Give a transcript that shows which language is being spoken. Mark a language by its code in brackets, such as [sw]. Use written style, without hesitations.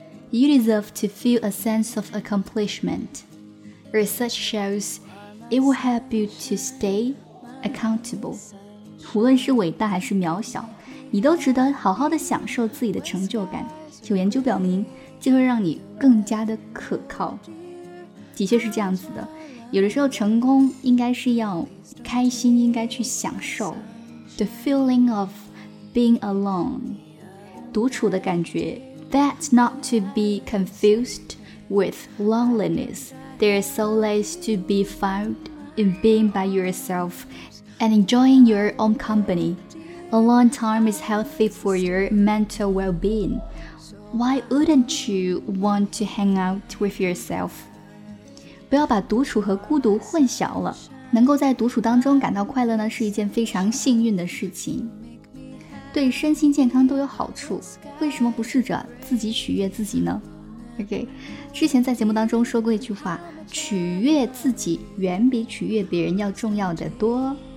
[en] You deserve to feel a sense of accomplishment. Research shows it will help you to stay accountable. [zh] 无论是伟大还是渺小，你都值得好好的享受自己的成就感。有研究表明，这会让你更加的可靠。的确是这样子的，有的时候成功应该是要开心，应该去享受 [en] The feeling ofBeing alone, [zh] 独处的感觉 [en] That's not to be confused with loneliness. There is solace to be found in being by yourself and enjoying your own company. Alone time is healthy for your mental well-being. Why wouldn't you want to hang out with yourself? [zh] 不要把独处和孤独混淆了。能够在独处当中感到快乐呢，是一件非常幸运的事情。对身心健康都有好处，为什么不试着自己取悦自己呢？ OK， 之前在节目当中说过一句话，取悦自己远比取悦别人要重要的多。